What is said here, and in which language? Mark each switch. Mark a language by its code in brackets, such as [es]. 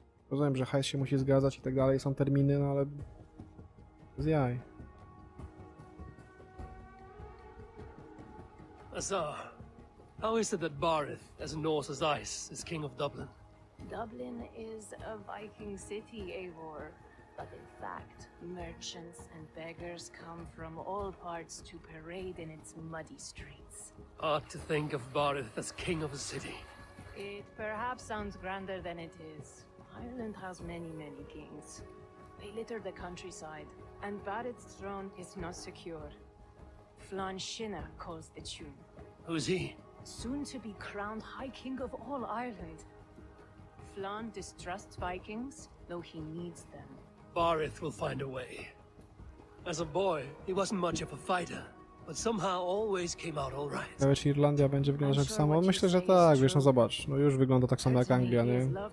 [pl] Rozumiem, że hajs się musi zgadzać i tak dalej, są terminy, no ale z jaj. [en] Azar, how is it that Barith, as Norse as ice, is king of Dublin? Dublin is a Viking city, Eivor. But in fact, merchants and beggars come from all parts to parade in its muddy streets. Odd to think of Barith as king of a city. It perhaps sounds grander than it is. Ireland has many, many kings. They litter the countryside, and Barith's throne is not secure. Flann Shinna calls the tune. Who's he? Soon to be crowned High King of all Ireland. Flann distrusts Vikings, though he needs them. Barith will find a way. As a boy, he wasn't much of a fighter, but somehow always came out all right. [pl] Ja wiesz, Irlandia będzie wyglądać tak samo? Myślę, że tak, wiesz, no zobacz. No już wygląda tak samo jak Anglia, nie?